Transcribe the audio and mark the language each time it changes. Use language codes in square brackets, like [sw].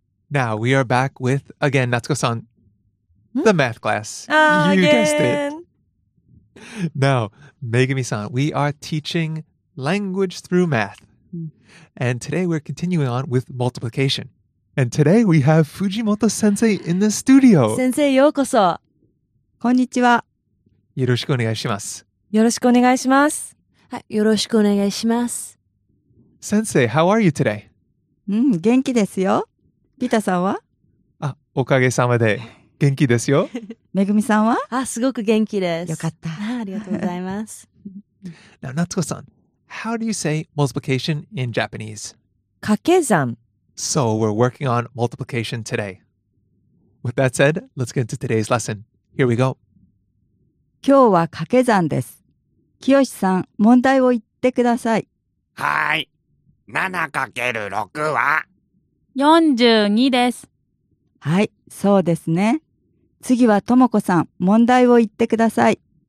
[en] Now we are back with, again, Natsuko-san, the math class. You guessed it. Now, Megumi-san, we are teaching language through math. And today we're continuing on with multiplication. And today we have Fujimoto-sensei in the studio. [ja] Sensei, ようこそ。こんにちは。よろしくお願いします。よろしくお願いします。はい、よろしくお願いします。 [en] Sensei, how are you today? [ja] 元気ですよ。ピタさんは？あ、おかげさまで元気ですよ。めぐみさんは？あ、すごく元気です。よかった。ありがとうございます。 [en] Now, Natsuko-san, how do you say multiplication in Japanese? [ja] 掛け算。 [en] So, we're working on multiplication today. With that said, let's get into today's lesson. Here we go. [ja] 今日は掛け算です。きよしさん、問題を言ってください。はい。7×6 は 42です。はい、そうですね。次はともこさん、問題を言ってください。